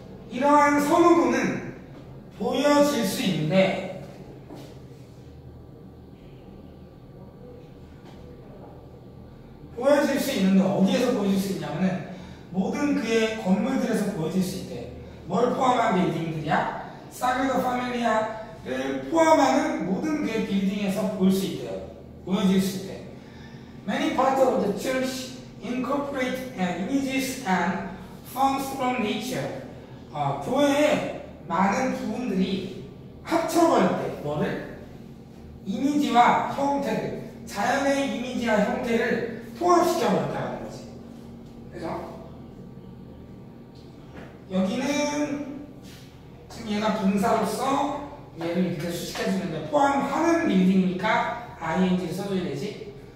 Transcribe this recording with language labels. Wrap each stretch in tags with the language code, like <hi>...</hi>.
<ko>이러한 선호도는 보여질 수 있는데 어디에서 보여질 수 있냐면 모든 그의 건물들에서 보여질 수 있대. 뭘 포함한 빌딩들이야? 사그라다 파밀리아를 포함하는 모든 그의 빌딩에서 볼 수 있대요. 보여질 수 있대.</ko> <en>Many parts of the church incorporate images and forms from nature.</en> <ko>교회의 많은 부분들이 합쳐버렸대. 뭐를? 이미지와 형태를, 자연의 이미지와 형태를 통합시켜버렸다는 거지. 그죠? 여기는 지금 얘가 분사로서 얘를 이렇게 수식해주는데 포함하는 빌딩이니까 ing를 써줘야 되지.</ko>